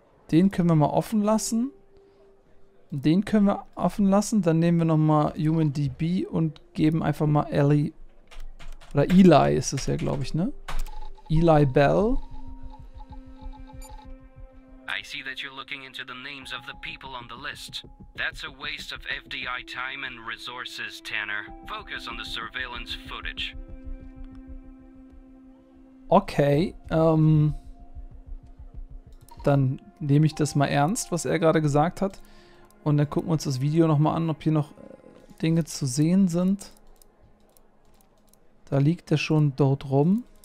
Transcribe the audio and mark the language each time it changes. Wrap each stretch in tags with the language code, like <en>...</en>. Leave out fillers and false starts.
<de>Den können wir mal offen lassen. Den können wir offen lassen. Dann nehmen wir nochmal HumanDB und geben einfach mal Ellie. Oder Eli ist es ja, glaube ich, ne? Eli Bell.</de> <en>I see that you're looking into the names of the people on the list. That's a waste of FDI time and resources, Tanner. Focus on the surveillance footage.</en> <de>Okay, dann nehme ich das mal ernst, was er gerade gesagt hat. Und dann gucken wir uns das Video nochmal an, ob hier noch Dinge zu sehen sind. Da liegt er schon dort rum.</de>